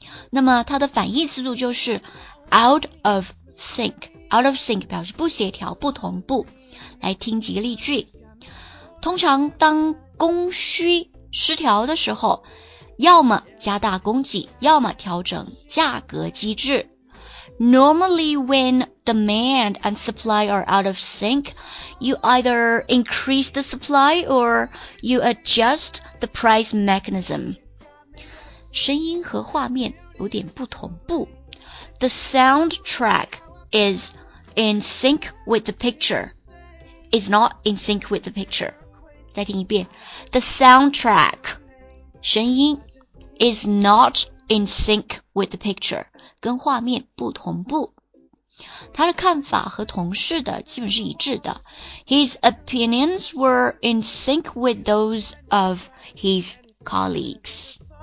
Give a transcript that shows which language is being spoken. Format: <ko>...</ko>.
<zh>那么它的反义词组就是 out of sync, out of sync 表示不协调不同步。来听几个例句。通常当供需失调的时候，要么加大供给，要么调整价格机制。</zh> <en>Normally when demand and supply are out of sync, you either increase the supply or you adjust the price mechanism.</en> <zh>声音和画面有点不同步。</zh> <en>The soundtrack is in sync with the picture. It's not in sync with the picture.</en> <zh>再听一遍。</zh> <en>The soundtrack, 声音is not in sync with the picture,</en> <zh>跟画面不同步。他的看法和同事的基本是一致的。</zh> <en>His opinions were in sync with those of his colleagues.</en>